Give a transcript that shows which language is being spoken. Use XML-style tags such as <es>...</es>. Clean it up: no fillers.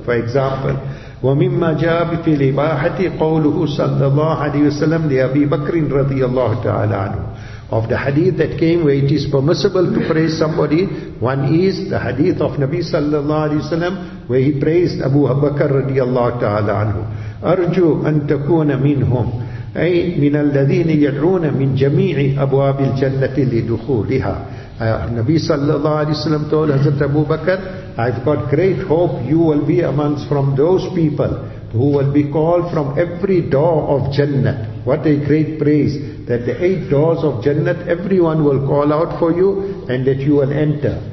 <en>For example,</en> <ar>وَمِمَّا جَابِ فِي الْإِبَاحَةِ قَوْلُهُ صَلَّى اللَّهُ عَلَيْهِ وَسَلَّمْ لِأَبِي بَكْرٍ رَضِيَ اللَّهُ تَعَالَى عَنُهُ,</ar> <en>of the hadith that came where it is permissible to praise somebody, one is the hadith of Nabi sallallahu alayhi wa sallam where he praised Abu Bakr radiallahu ta'ala anhu.</en> <ar>أَرْجُوا أَن تَكُونَ مِنْهُمْ أي من الذين يدعون من جميع أبواب الجنة لدخولها.</ar> <en>Nabi sallallahu alayhi wa sallam told Hazrat Abu Bakr, I've got great hope you will be amongst from those people who will be called from every door of Jannah. What a great praise that the 8 doors of Jannah, everyone will call out for you and that you will enter.</en>